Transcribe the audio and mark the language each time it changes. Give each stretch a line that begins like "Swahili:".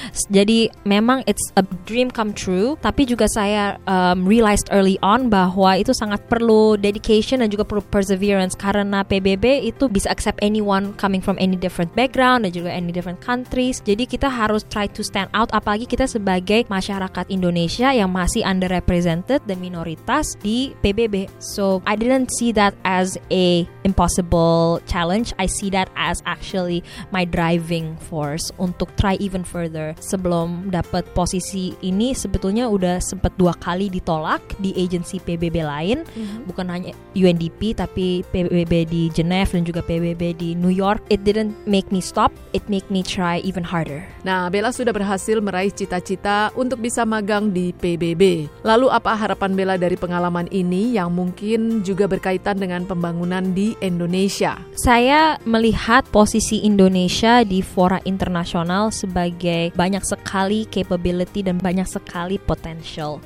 Indonesian: Jadi memang
English: it's a dream come true,
Indonesian: tapi juga saya
English: realized early on
Indonesian: bahwa itu sangat perlu
English: dedication dan juga perlu perseverance,
Indonesian: karena PBB itu bisa
English: accept anyone coming from any different background dan juga any different countries.
Indonesian: Jadi kita harus
English: try to stand out,
Indonesian: apalagi kita sebagai masyarakat Indonesia yang masih underrepresented dan minoritas di PBB.
English: So I didn't see that as a impossible challenge. I see that as actually my driving force
Indonesian: untuk
English: try even further.
Indonesian: Sebelum dapat posisi ini, sebetulnya udah sempat 2 kali ditolak di agensi PBB lain, bukan hanya UNDP, tapi PBB di Geneva dan juga PBB di New York.
English: It didn't make me stop, it make me try even harder.
Indonesian: Nah, Bella sudah berhasil meraih cita-cita untuk bisa magang di PBB. Lalu apa harapan Bella dari pengalaman ini yang mungkin juga berkaitan dengan pembangunan di Indonesia? Saya melihat posisi Indonesia di fora internasional sebagai banyak sekali capability dan banyak sekali potential.